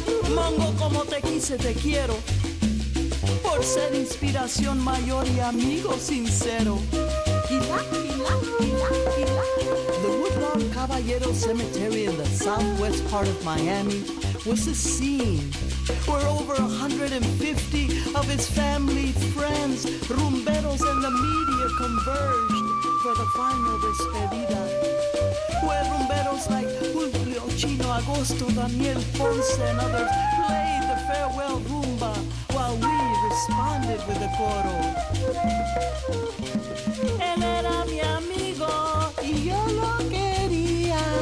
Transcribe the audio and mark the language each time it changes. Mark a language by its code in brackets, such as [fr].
[es] Mongo, como te quise, te quiero, por ser inspiración mayor y amigo sincero. [en] The Woodlawn Caballero Cemetery in the southwest part of Miami was a scene where over 150 of his family, friends, rumberos, and the media converged for the final despedida. Where rumberos like Julio Chino, Agosto, Daniel Ponce, and others played the farewell rumba while we responded with the coro. [es] Él era mi amigo y yo lo quería.